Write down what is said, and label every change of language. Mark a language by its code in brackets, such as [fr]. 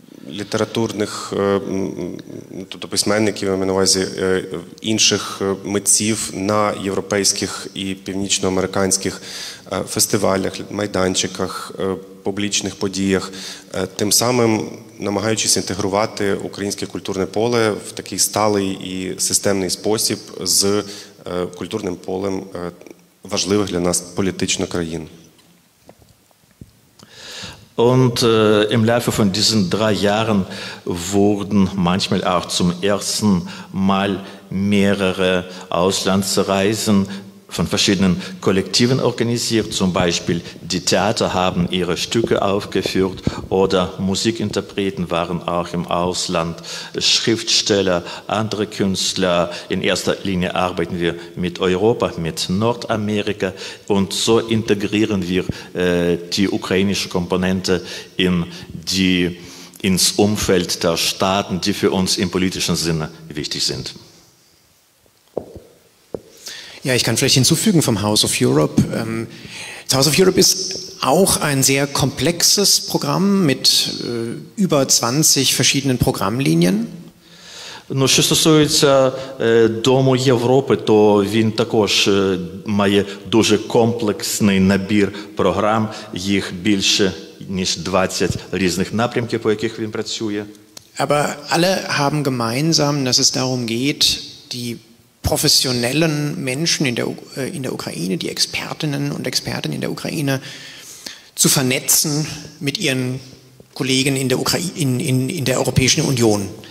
[uk] літературних, тобто письменників, я маю на увазі, інших митців на європейських і північноамериканських фестивалях, майданчиках, публічних подіях, тим самим намагаючись інтегрувати українське культурне поле в такий сталий і системний спосіб з культурним полем важливих для нас політично країн. [de] Und im Laufe von diesen 3 Jahren wurden manchmal auch zum ersten Mal mehrere Auslandsreisen von verschiedenen Kollektiven organisiert, zum Beispiel die Theater haben ihre Stücke aufgeführt oder Musikinterpreten waren auch im Ausland, Schriftsteller, andere Künstler. In erster Linie arbeiten wir mit Europa, mit Nordamerika und so integrieren wir die ukrainische Komponente ins Umfeld der Staaten, die für uns im politischen Sinne wichtig sind. Ja, ich kann vielleicht hinzufügen vom House of Europe. House of Europe ist auch ein sehr komplexes Programm mit über 20 verschiedenen Programmlinien. [uk] Ну, що стосується Дому Європи, то він також має дуже комплексний набір програм, їх більше, ніж 20 різних напрямків, по яких він працює. [de] Aber alle haben gemeinsam, dass es darum geht, die professionellen Menschen in der Ukraine, die Expertinnen und Experten in der Ukraine zu vernetzen mit ihren Kollegen in der Ukraine, in der Europäischen Union.